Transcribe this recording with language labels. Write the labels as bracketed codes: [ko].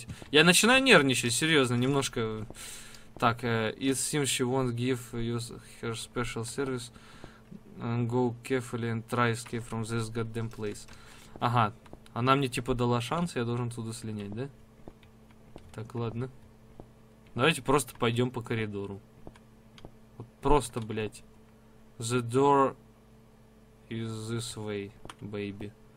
[ru] Я начинаю нервничать, серьезно, немножко. Так, [en] it seems she won't give her special service. And go carefully and try escape from this goddamn place. [ru] Ага, она мне типа дала шанс, я должен туда слинять, да? Так, ладно. Давайте просто пойдем по коридору. Вот просто, блять. [en] The door is this way, baby.